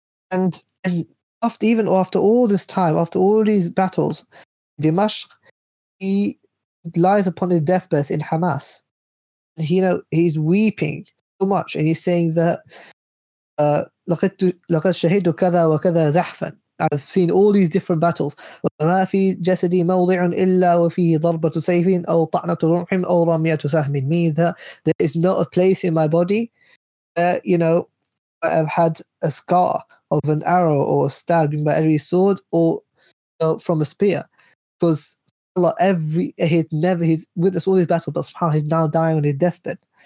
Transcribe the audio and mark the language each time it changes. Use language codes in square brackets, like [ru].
[en] And after all this time, after all these battles, Dimashq, he lies upon his deathbed in Hamas. And he, you know, he's weeping so much, and he's saying that [ar] لقد شهدت كذا وكذا زحفا. [en] I've seen all these different battles. [ar] وما في جسدي موضع إلا وفيه ضربة سيف أو طعنة روح أو رمية سهم. [en] Meaning that there is not a place in my body where, you know, I've had a scar of an arrow or a stab by every sword or from a spear. Because Allah, he's witnessed all these battles, but somehow he's now dying on his deathbed.